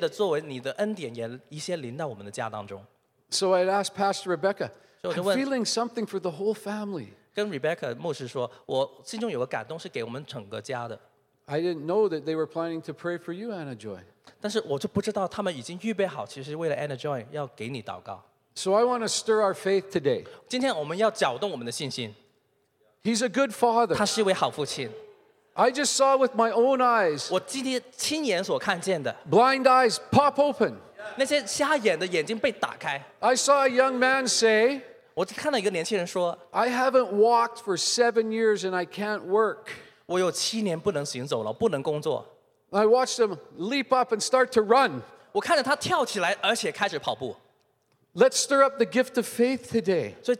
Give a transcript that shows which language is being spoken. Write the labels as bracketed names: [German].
[Chinese] 所以就向神祷告说，这个家是如此的去奉献，去撒种到列国当中，包括在我身上，去到这个列国当中，见证这些你的作为，愿这些的作为你的恩典也一些临到我们的家当中。 [English] So I asked Pastor Rebecca, I'm feeling something for the whole family. [Chinese] 跟Rebecca牧师说，我心中有个感动，是给我们整个家的。 [English] I didn't know that they were planning to pray for you, Anna Joy. [Chinese] 但是我就不知道他们已经预备好，其实为了Anna Joy要给你祷告。 [English] So I want to stir our faith today. [Chinese] 今天我们要搅动我们的信心。 [English] He's a good father. [Chinese] 他是一位好父亲。 [English] I just saw with my own eyes. [Chinese] 我今天亲眼所看见的。 [English] Blind eyes pop open. [Chinese] 那些瞎眼的眼睛被打开。 [English] I saw a young man say, [Chinese] 我看到一个年轻人说, [English] I haven't walked for 7 years and I can't work. [Chinese] 我有七年不能行走了，不能工作。 [English] I watched him leap up and start to run. [Chinese] 我看着他跳起来，而且开始跑步。 [English] Let's stir up the gift of faith today.